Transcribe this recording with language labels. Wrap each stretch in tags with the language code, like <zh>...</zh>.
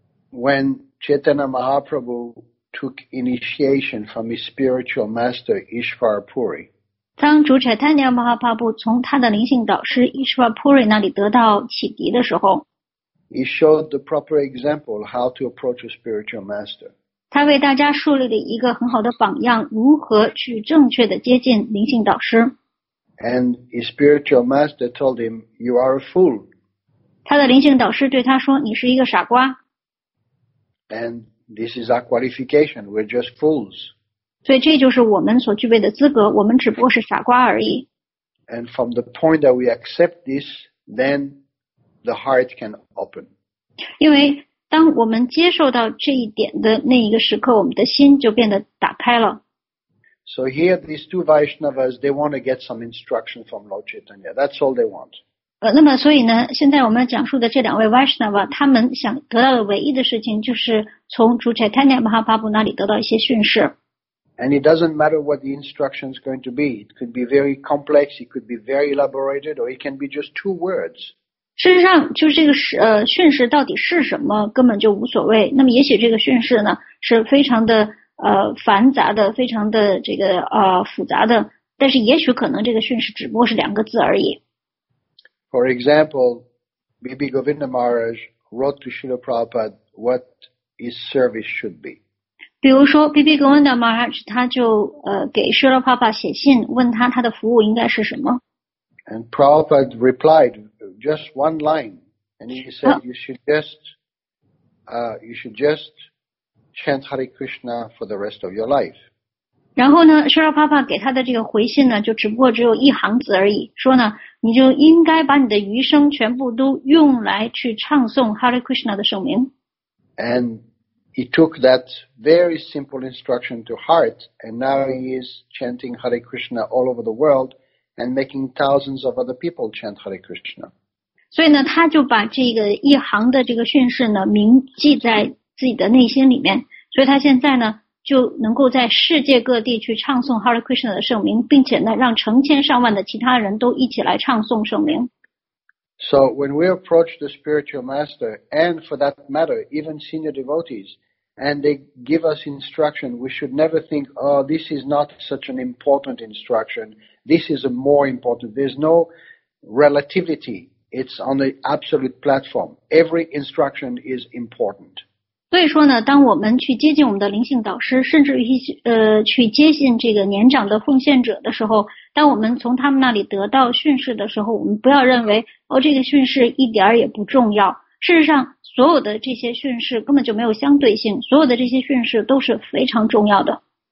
<en>When Chaitanya Mahaprabhu took initiation from his spiritual master Ishvara Puri,</en> <zh>当主 Chaitanya Mahaprabhu 从他的灵性导师 Ishwar Puri 那里得到启迪的时候，</zh> <en>He showed the proper example how to approach a spiritual master.</en> <zh>他为大家树立了一个很好的榜样，如何去正确的接近灵性导师。</zh> <en>And his spiritual master told him, "You are a fool."</en> <zh>他的灵性导师对他说，你是一个傻瓜。</zh> <en>And this is our qualification. We're just fools.</en> <zh>所以这就是我们所具备的资格，我们只不过是傻瓜而已。</zh> <en>And from the point that we accept this, then the heart can open.</en> <zh>因为当我们接受到这一点的那一个时刻，我们的心就变得打开了。</zh> <en>So here, these two Vaishnavas, they want to get some instruction from Lord Chaitanya. That's all they want.</en> <zh>那么所以呢，现在我们讲述的这两位 Vaishnava, 他们想得到的唯一的事情就是从主 Chaitanya Mahaprabhu 那里得到一些训示。</zh> <en>And it doesn't matter what the instruction is going to be. It could be very complex, it could be very elaborated, or it can be just two words.</en> <zh>事实上就这个训示到底是什么根本就无所谓。那么也许这个训示呢是非常的繁杂的，非常的这个复杂的，但是也许可能这个训示只不过是两个字而已。</zh> <en>For example, Bibi Govinda Maharaj wrote to Srila Prabhupada what his service should be.</en> <zh>比如说 Bibi Govinda Maharaj 他就给 Srila Prabhupada 写信，问他他的服务应该是什么。</zh> <en>And Prabhupada replied just one line, and he said you should just chant Hare Krishna for the rest of your life.</en> <zh>然后呢 Srila Prabhupada 给他的这个回信呢就只不过只有一行字而已，说呢你就应该把你的余生全部都用来去唱诵 Hare Krishna 的圣名。</zh> <en>And he took that very simple instruction to heart, and now he is chanting Hare Krishna all over the world and making thousands of other people chant Hare Krishna.</en> <zh>所以呢他就把这个一行的这个训示呢铭记在自己的内心里面，所以他现在呢就能够在世界各地去唱诵 Hare Krishna 的圣名，并且呢让成千上万的其他人都一起来唱诵圣名。</zh> <en>So when we approach the spiritual master, and for that matter even senior devotees, and they give us instruction, we should never think, oh, this is not such an important instruction, this is a more important, there's no relativity, it's on the absolute platform, every instruction is important.</en> <zh>所以说呢，当我们去接近我们的灵性导师，甚至于去接近这个年长的奉献者的时候，当我们从他们那里得到训示的时候，我们不要认为哦，这个训示一点儿也不重要。事实上，所有的这些训示根本就没有相对性，所有的这些训示都是非常重要的。</zh>